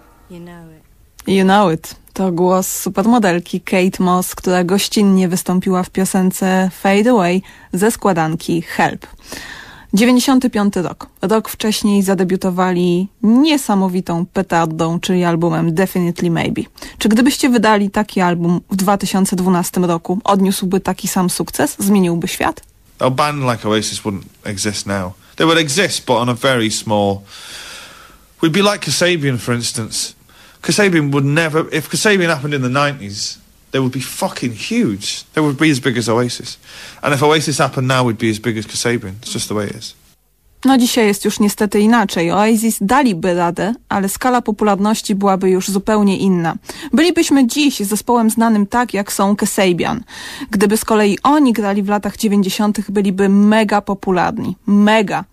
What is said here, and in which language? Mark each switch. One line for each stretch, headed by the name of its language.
English: You know it.
Polish: To głos supermodelki Kate Moss, która gościnnie wystąpiła w piosence Fade Away ze składanki Help. 95 rok. Rok wcześniej zadebiutowali niesamowitą petardą, czyli albumem Definitely Maybe. Czy gdybyście wydali taki album w 2012 roku, odniósłby taki sam sukces? Zmieniłby świat?
English: A band like Oasis wouldn't exist now. They would exist, but on a very small... We'd be like Kasabian, for instance. Kasabian would never... If Kasabian happened in the 90s, they would be fucking huge. They would be as big as Oasis. And if Oasis happened now, we'd be as big as Kasabian. It's just the way it is.
Polish: No dzisiaj jest już niestety inaczej. Oasis daliby radę, ale skala popularności byłaby już zupełnie inna. Bylibyśmy dziś zespołem znanym tak, jak są Kasabian. Gdyby z kolei oni grali w latach 90., byliby mega popularni. Mega.